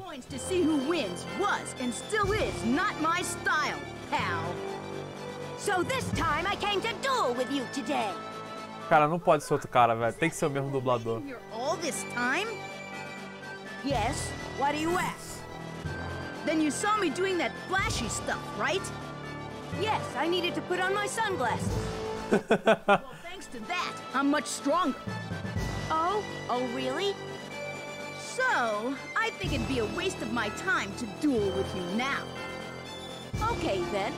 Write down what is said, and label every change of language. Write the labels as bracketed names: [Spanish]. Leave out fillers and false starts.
[English] To see who wins was and still is not my style, pal. So this time I came to duel with you today. [Portuguese] Cara, não pode ser outro cara, velho. Tem que ser o mesmo dublador. [English] All this time? Yes. Why do you ask? Then you saw me doing that flashy stuff, right? Yes, I needed to put on my sunglasses. Well, thanks to that, I'm much stronger. Oh? Oh, really? So, I think it'd be a waste of my time to duel with you now. Okay, then.